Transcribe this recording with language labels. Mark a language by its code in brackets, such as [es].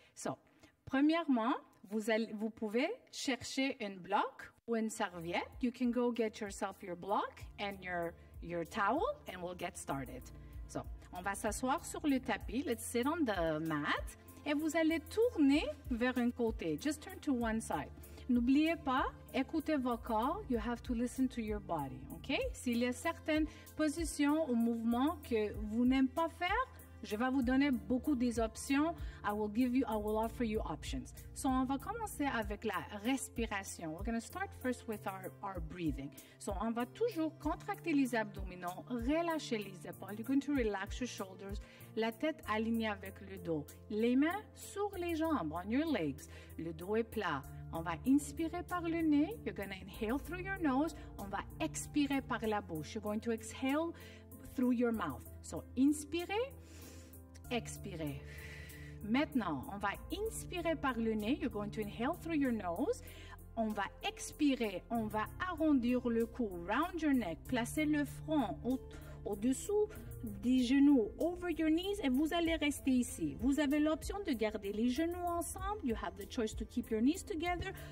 [fr] So, premièrement, vous pouvez chercher un bloc ou une serviette. [en] You can go get yourself your block and your towel, and we'll get started. [fr] So, on va s'asseoir sur le tapis, [en] let's sit on the mat, [fr] et vous allez tourner vers un côté, [en] just turn to one side. [fr] N'oubliez pas, écoutez votre corps, [en] you have to listen to your body, ok? [fr] S'il y a certaines positions ou mouvements que vous n'aimez pas faire, je vais vous donner beaucoup des options, [en] I will offer you options. [fr] So, on va commencer avec la respiration. [en] We're going to start first with our breathing. [fr] So, on va toujours contracter les abdominaux, relâcher les épaules. [en] You're going to relax your shoulders. [fr] La tête alignée avec le dos. Les mains sur les jambes, [en] on your legs. [fr] Le dos est plat. On va inspirer par le nez. [en] You're going to inhale through your nose. [fr] On va expirer par la bouche. [en] You're going to exhale through your mouth. [fr] So, inspirez, expirez. Maintenant, on va inspirer par le nez. [en] You're going to inhale through your nose. [fr] On va expirer. On va arrondir le cou. [en] Round your neck. [fr] Placez le front au-dessous des genoux. [en] Over your knees. [fr] Et vous allez rester ici. Vous avez l'option de garder les genoux ensemble. [en] You have the choice to keep your knees together.